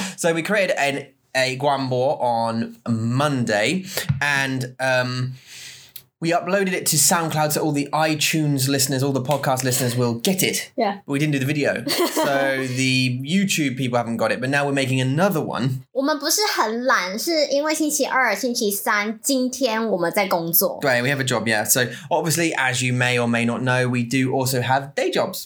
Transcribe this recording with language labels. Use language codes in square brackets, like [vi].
[en] So we created a [zh] 广播 [en] on Monday, and we uploaded it to SoundCloud so all the iTunes listeners, all the podcast listeners will get it. Yeah. But we didn't do the video. So the YouTube people haven't got it, but now we're making another one. [zh] 我们不是很懒，是因为星期二、星期三，今天我们在工作。对, [en] we have a job, yeah. So obviously, as you may or may not know, we do also have day jobs.